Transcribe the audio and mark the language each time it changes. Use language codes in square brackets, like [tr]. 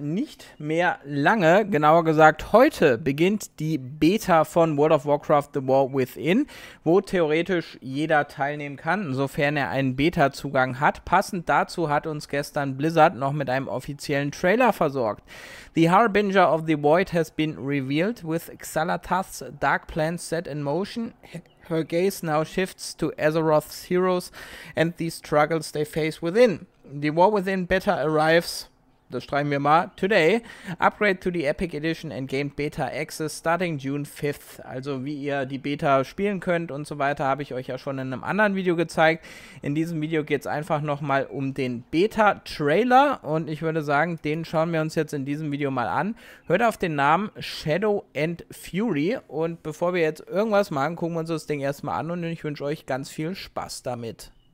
[de] Nicht mehr lange, genauer gesagt heute beginnt die Beta von World of Warcraft The War Within, wo theoretisch jeder teilnehmen kann, sofern er einen Beta-Zugang hat. Passend dazu hat uns gestern Blizzard noch mit einem offiziellen Trailer versorgt. [en] The Harbinger of the Void has been revealed with Xalatath's dark plans set in motion. Her gaze now shifts to Azeroth's heroes and the struggles they face within. The War Within Beta arrives, [de] das schreiben wir mal, [en] today. Upgrade to the Epic Edition and gain Beta Access starting June 5th. [de] Also wie ihr die Beta spielen könnt und so weiter, habe ich euch ja schon in einem anderen Video gezeigt. In diesem Video geht es einfach nochmal um den Beta-Trailer und ich würde sagen, den schauen wir uns jetzt in diesem Video mal an. Hört auf den Namen Shadow and Fury und bevor wir jetzt irgendwas machen, gucken wir uns das Ding erstmal an und ich wünsche euch ganz viel Spaß damit.